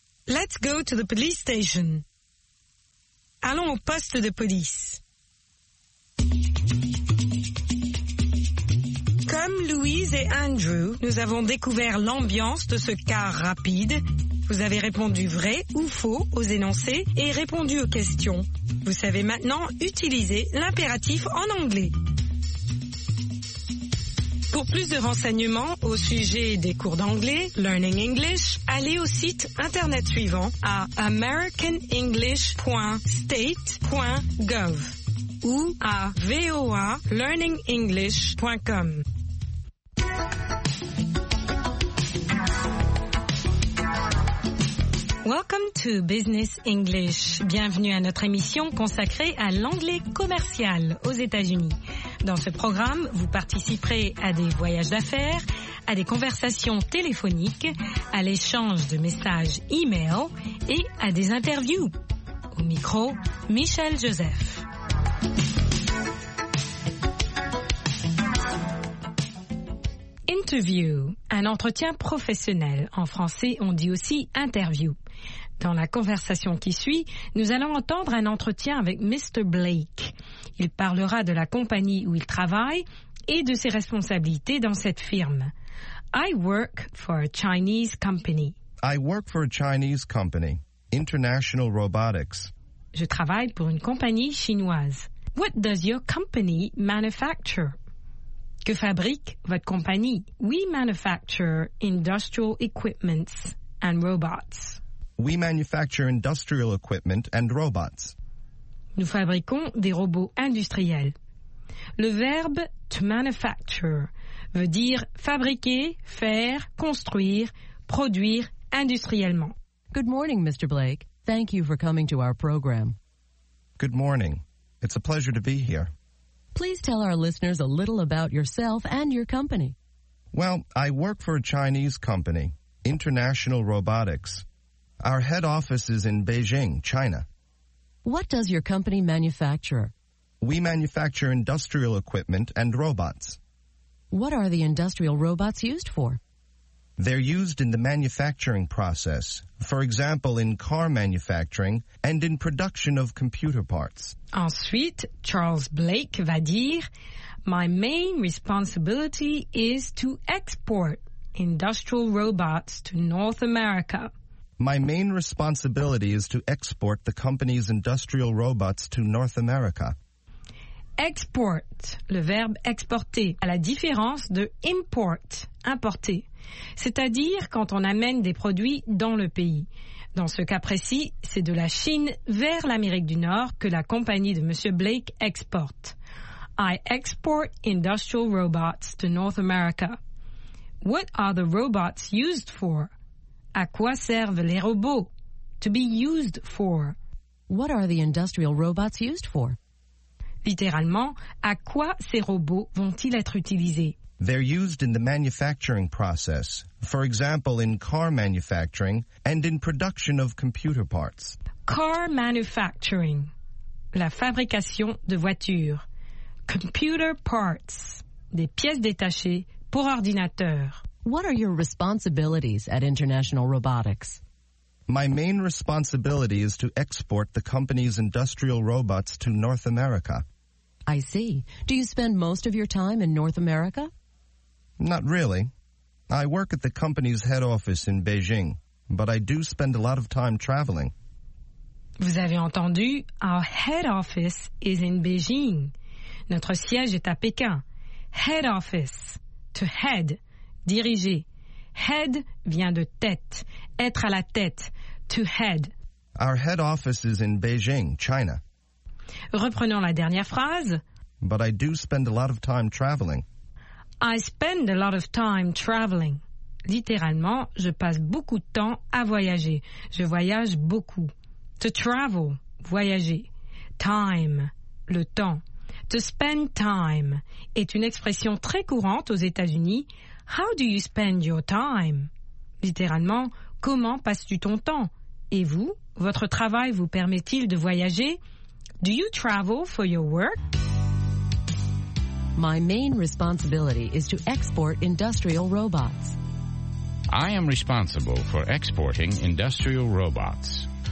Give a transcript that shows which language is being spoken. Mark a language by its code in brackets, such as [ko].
[en] Let's go to the police station. [fr] Allons au poste de police. Comme Louise et Andrew, nous avons découvert l'ambiance de ce car rapide. Vous avez répondu vrai ou faux aux énoncés et répondu aux questions. Vous savez maintenant utiliser l'impératif en anglais. Pour plus de renseignements au sujet des cours d'anglais, Learning English, allez au site internet suivant à americanenglish.state.gov ou à voalearningenglish.com. [en] Welcome to Business English. [fr] Bienvenue à notre émission consacrée à l'anglais commercial aux États-Unis. Dans ce programme, vous participerez à des voyages d'affaires, à des conversations téléphoniques, à l'échange de messages e-mail et à des interviews. Au micro, Michel Joseph. Interview, un entretien professionnel. En français, on dit aussi interview. Dans la conversation qui suit, nous allons entendre un entretien avec Mr. Blake. Il parlera de la compagnie où il travaille et de ses responsabilités dans cette firme. [en] I work for a Chinese company. I work for a Chinese company, International Robotics. [fr] Je travaille pour une compagnie chinoise. [en] What does your company manufacture? [fr] Que fabrique votre compagnie? [en] We manufacture industrial equipments and robots. We manufacture industrial equipment and robots. [fr] Nous fabriquons des robots industriels. Le verbe to manufacture veut dire fabriquer, faire, construire, produire industriellement. [en] Good morning, Mr. Blake. Thank you for coming to our program. Good morning. It's a pleasure to be here. Please tell our listeners a little about yourself and your company. Well, I work for a Chinese company, International Robotics. Our head office is in Beijing, China. What does your company manufacture? We manufacture industrial equipment and robots. What are the industrial robots used for? They're used in the manufacturing process, for example, in car manufacturing and in production of computer parts. [fr] Ensuite, Charles Blake va dire, [en] My main responsibility is to export industrial robots to North America. My main responsibility is to export the company's industrial robots to North America. [fr] Export, le verbe exporter, à la différence de import, importer, c'est-à-dire quand on amène des produits dans le pays. Dans ce cas précis, c'est de la Chine vers l'Amérique du Nord que la compagnie de Monsieur Blake exporte. [en] I export industrial robots to North America. What are the robots used for? [fr] À quoi servent les robots? [en] To be used for. What are the industrial robots used for? [fr] Littéralement, à quoi ces robots vont-ils être utilisés? [en] They're used in the manufacturing process. For example, in car manufacturing and in production of computer parts. Car manufacturing. [fr] La fabrication de voitures. [en] Computer parts. [fr] Des pièces détachées pour ordinateur. [en] What are your responsibilities at International Robotics? My main responsibility is to export the company's industrial robots to North America. I see. Do you spend most of your time in North America? Not really. I work at the company's head office in Beijing, but I do spend a lot of time traveling. [fr] Vous avez entendu, [en] our head office is in Beijing. [fr] Notre siège est à Pékin. Head office, to head, diriger. Head vient de tête, être à la tête, to head. [en] Our head office is in Beijing, China. [fr] Reprenons la dernière phrase. [en] But I do spend a lot of time traveling. I spend a lot of time traveling. [fr] Littéralement, je passe beaucoup de temps à voyager. Je voyage beaucoup. To travel, voyager. Time, le temps. To spend time est une expression très courante aux États-Unis. [en] How do you spend your time? [fr] Littéralement, comment passes-tu ton temps? Et vous, votre travail vous permet-il de voyager? [en] Do you travel for your work? My main responsibility is to export industrial robots. I am responsible for exporting industrial robots.